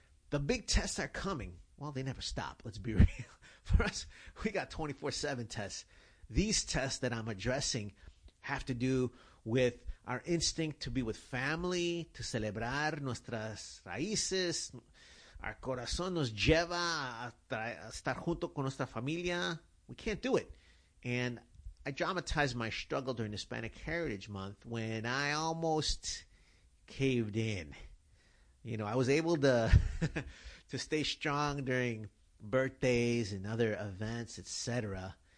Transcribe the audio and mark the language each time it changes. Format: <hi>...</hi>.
<en>The big tests are coming. Well, they never stop. Let's be real. For us, we got 24/7 tests. These tests that I'm addressing have to do with our instinct to be with family, to</en> <es>celebrar nuestras raíces.</es> <en>Our</en> <es>corazón nos lleva a estar junto con nuestra familia.</es> <en>We can't do it. And I dramatized my struggle during Hispanic Heritage Month when I almost caved in. You know, I was able to to stay strong during birthdays and other events, etc.</en>